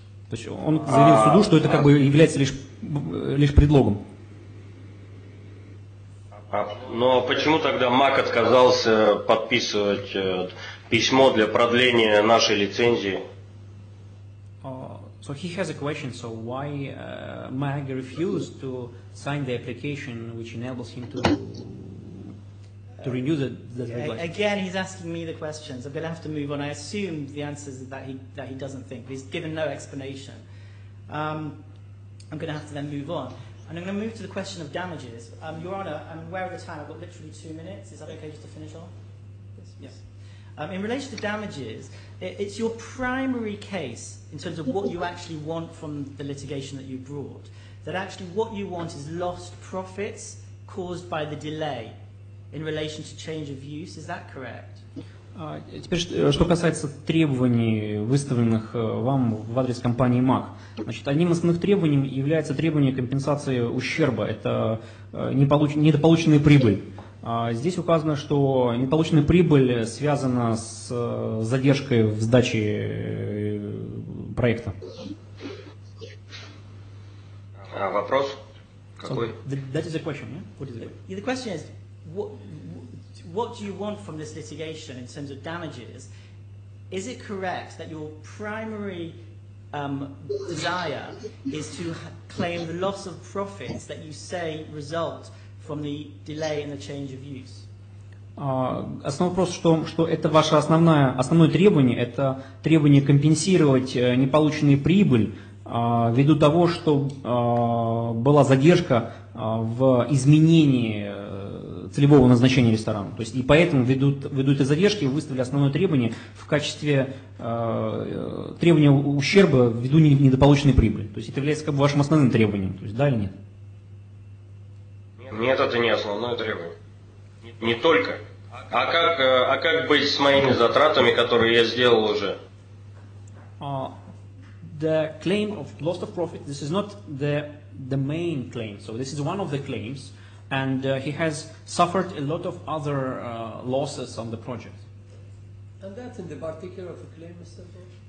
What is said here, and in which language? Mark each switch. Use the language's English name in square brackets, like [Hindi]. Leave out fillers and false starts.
[Russian] То есть он заявил суду, что это как бы является лишь предлогом. Но почему тогда МАК отказался подписывать письмо для продления нашей лицензии? [English] So he has a question. So why MAG refused to sign the application which enables him to renew the license? Again, he's asking me the questions. I'm going to have to move on. I assume the answer is that he doesn't think. But he's given no explanation. I'm going to have to then move on. And I'm going to move to the question of damages. Your Honor, I'm aware of the time. I've got literally 2 minutes. Is that okay just to finish off? Yes. In relation to damages, it's your primary case in terms of what you actually want from the litigation that you brought, that actually what you want is lost profits caused by the delay in relation to change of use. Is that correct? [Russian] Теперь, что касается требований, выставленных вам в адрес компании MAC, значит, одним из основных требований является требование компенсации ущерба, это недополученная прибыль. Здесь указано, что недополученная прибыль связана с задержкой в сдаче проекта. Вопрос? Какой? [English] That is a question, yeah? What is it? The question is, what do you want from this litigation in terms of damages? Is it correct that your primary desire is to claim the loss of profits that you say result from the delay in the change of use? [Russian] Основной вопрос, что это ваше основное требование, это требование компенсировать неполученную прибыль ввиду того, что была задержка в изменении целевого назначения ресторана. То есть, и поэтому ввиду этой задержки выставили основное требование в качестве требования ущерба ввиду недополученной прибыли. То есть это является как бы вашим основным требованием. То есть, да или нет? Нет, это не основное требование. Не только. А как быть с моими затратами, которые я сделал уже? [English] The claim of loss of profit, this is not the main claim. So this is one of the claims. And he has suffered a lot of other losses on the project. And that's in the particular of the claim, Mr. Bosch?